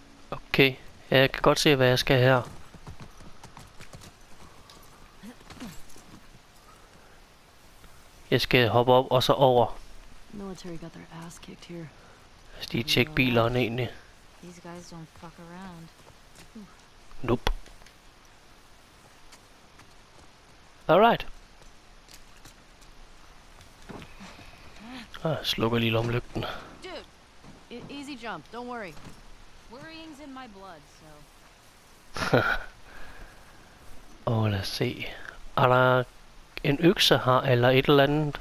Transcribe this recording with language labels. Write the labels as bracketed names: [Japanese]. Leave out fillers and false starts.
[Danish] Okay, ja, jeg kan godt se, hvad jeg skal her. Jeg skal hoppe op og så over. [English] Military got their ass kicked here. Let's see, check [Danish] bilerne egentlig. [English] These guys don't fuck around. Nope. Alright. [Danish] Slukker lige lommelygten. [English] Dude, easy jump, don't worry. Worrying's in my blood, so. [Danish] Oh, lad os se. Er der en økse her, eller et eller andet?